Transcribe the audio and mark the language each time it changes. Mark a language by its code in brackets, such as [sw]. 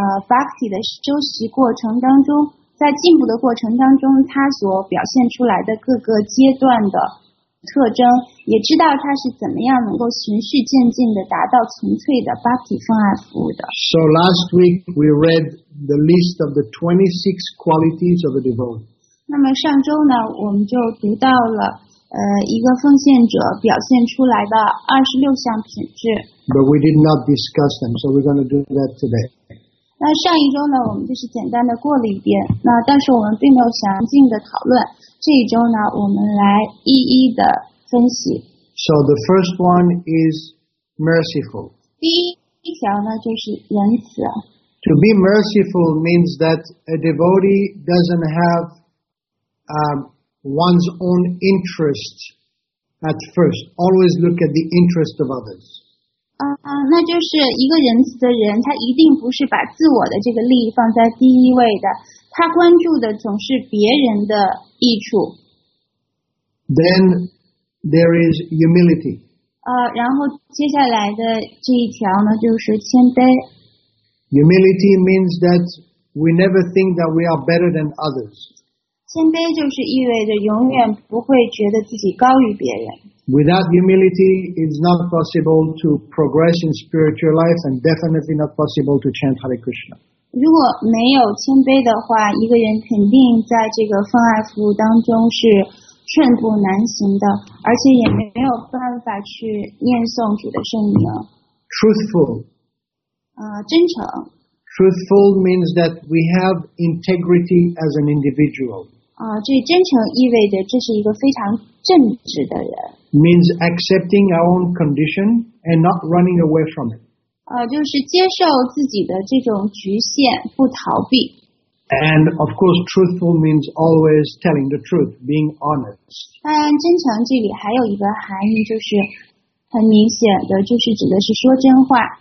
[zh] bhakti 的修习过程当中，在进步的过程当中，他所表现出来的各个阶段的特征，也知道他是怎么样能够循序渐进的达到纯粹的 bhakti 奉爱服务的。 [en] So last week we read the list of the 26 qualities of a devotee. [zh] 那么上周呢，我们就读到了。一个奉献者表现出来的26项品质。 [en] But we did not discuss them, so we're going to do that today. [zh] 那上一周呢，我们就是简单的过了一遍，那但是我们并没有详尽的讨论。这一周呢，我们来一一的分析。 [en] So the first one is merciful. [zh] 第一条呢，就是仁慈。 [en] To be merciful means that a devotee doesn't have, one's own interest at first. Always look at the interest of others. [zh] 那就是一个仁慈的人，他一定不是把自我的这个利益放在第一位的，他关注的总是别人的益处。 [en] Then there is humility. [zh] 然后接下来的这一条呢，就是谦卑。 [en] Humility means that we never think that we are better than others. [zh] 谦卑就是意味着永远不会觉得自己高于别人。 [en] Without humility, it's not possible to progress in spiritual life, and definitely not possible to chant Hare Krishna. [zh] 如果没有谦卑的话，一个人肯定在这个奉爱服务当中是寸步难行的，而且也没有办法去念诵主的圣名。 [en] Truthful. [zh] 真诚。 [en] Truthful means that we have integrity as an individual. [zh] 这真诚意味着这是一个非常正直的人。 [en] Means accepting our own condition and not running away from it. [zh] 就是接受自己的这种局限，不逃避。 [en] And of course, truthful means always telling the truth, being honest. [zh] 当然，真诚这里还有一个含义，就是很明显的，就是指的是说真话。